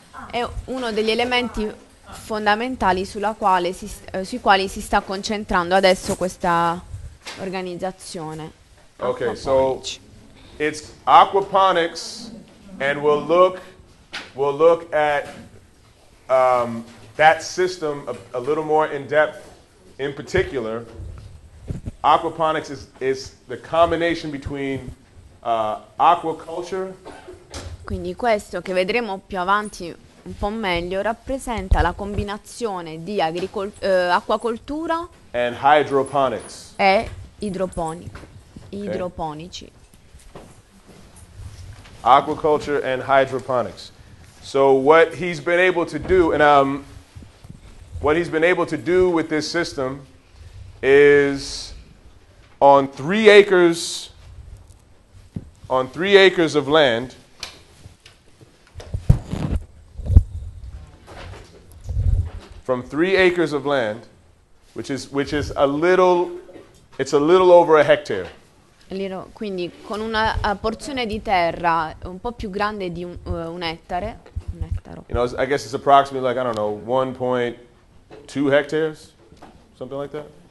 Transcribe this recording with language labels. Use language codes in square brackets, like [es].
[it] È uno degli elementi fondamentali sui quali si sta concentrando adesso questa organizzazione. [en] Okay, so it's aquaponics, and we'll look at that system a little more in depth. In particular, aquaponics is the combination between aquaculture. [it] Quindi questo che vedremo più avanti un po' meglio rappresenta la combinazione di acquacoltura [en] and hydroponics. [it] E idroponici. [en] Okay. Aquaculture and hydroponics. So what he's been able to do and what he's been able to do with this system is on three acres of land. From 3 acres of land, which is it's a little over a hectare. [it] Quindi con una porzione di terra un po' più grande di un ettaro. [en] You know, I guess it's approximately like, I don't know, 1.2 hectares, something like that.